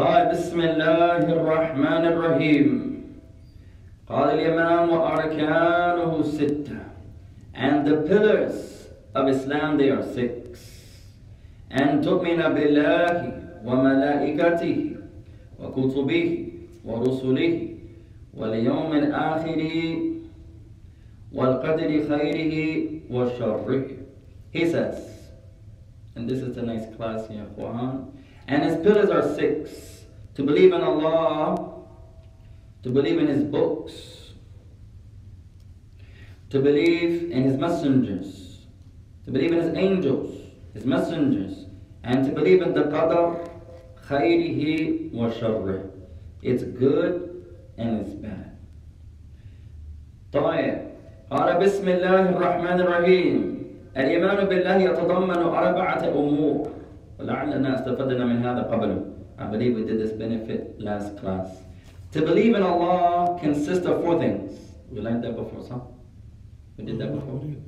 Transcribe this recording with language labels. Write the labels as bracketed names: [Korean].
[Arabic] بسم الله الرحمن الرحيم قال الإمام وأركانه ستة [English] and the pillars of Islam they are six and [Arabic] تؤمن بالله وملائكته وكتبه ورسله واليوم الآخر والقدر خيره وشره. [English] He says, and this is a nice class, [Arabic] يا إخوان, [English] and his pillars are six. To believe in Allah, to believe in His books, to believe in His messengers, to believe in His angels, His messengers, and to believe in the Qadr, [Arabic] khayrihi wa sharri. [English] It's good and it's bad. طيب. [Arabic] قال بسم الله الرحمن الرحيم. الإيمان بالله يتضمن أربعة أمور. ولعلنا استفدنا من هذا قبل. [English] I believe we did this benefit last class. To believe in Allah consists of four things. We learned that before, son. We did that before.